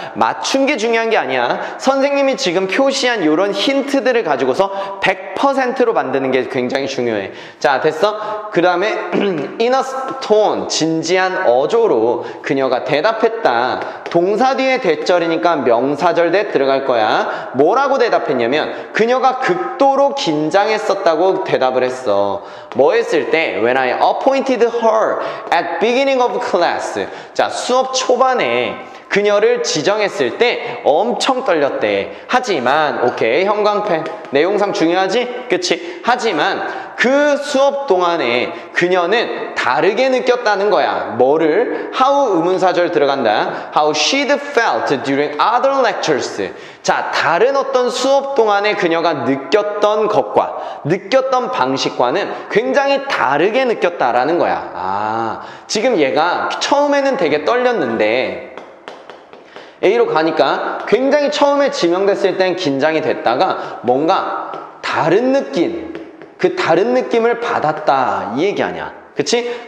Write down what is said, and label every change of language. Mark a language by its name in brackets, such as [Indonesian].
[Korean] 맞춘 게 중요한 게 아니야. 선생님이 지금 표시한 이런 힌트들을 가지고서 100%로 만드는 게 굉장히 중요해. 자, 됐어? 그 다음에 in a tone, 진지한 어조로 그녀가 대답했다. 동사 뒤에 대절이니까 명사절 대 들어갈 거야. 뭐라고 대답했냐면 그녀가 극도로 긴장했었다고 대답을 했어. 뭐 했을 때 [English] when I appointed her at beginning of class. [Korean] 자, 수업 초반에 그녀를 지정했을 때 엄청 떨렸대. 하지만 오케이, 형광펜. 내용상 중요하지? 그치? 하지만 그 수업 동안에 그녀는 다르게 느꼈다는 거야. 뭐를? How 의문사절 들어간다. [English] How she'd felt during other lectures. [Korean] 자, 다른 어떤 수업 동안에 그녀가 느꼈던 것과 느꼈던 방식과는 굉장히 다르게 느꼈다라는 거야. 아, 지금 얘가 처음에는 되게 떨렸는데 A로 가니까 굉장히 처음에 지명됐을 땐 긴장이 됐다가 뭔가 다른 느낌, 그 다른 느낌을 받았다 이 얘기 아니야. 그치?